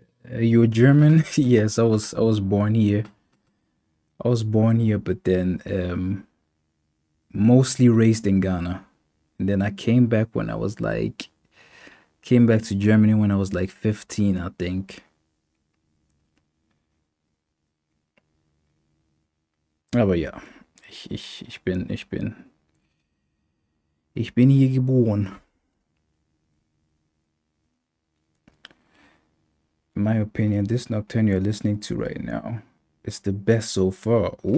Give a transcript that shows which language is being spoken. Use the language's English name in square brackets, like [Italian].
[English] You're German? Yes, I was born here. I was born here, but then mostly raised in Ghana. And then I came back when I was like, came back to Germany when I was like 15, I think. [German] Aber ja, ich bin hier geboren. [English] In my opinion, this nocturne you're listening to right now is the best so far.